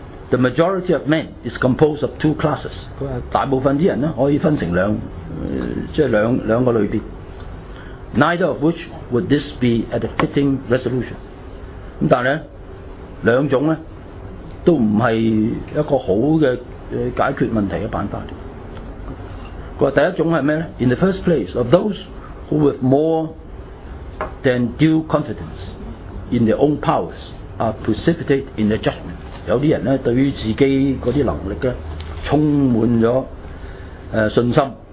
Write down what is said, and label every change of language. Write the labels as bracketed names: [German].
[English] The majority of men is composed of two classes。 [Cantonese] 大部分啲人咧可以分成兩，即係兩個類別。 [English] Neither of which would this be at a fitting resolution。 [Cantonese] 咁但係咧，兩種咧都唔係一個好嘅解決問題嘅辦法。佢話第一種係咩咧 [English] ？In the first place, of those who with more than due confidence in their own powers are precipitate in their judgment。 [Cantonese] 有啲人咧對於自己嗰啲能力咧充滿咗信心。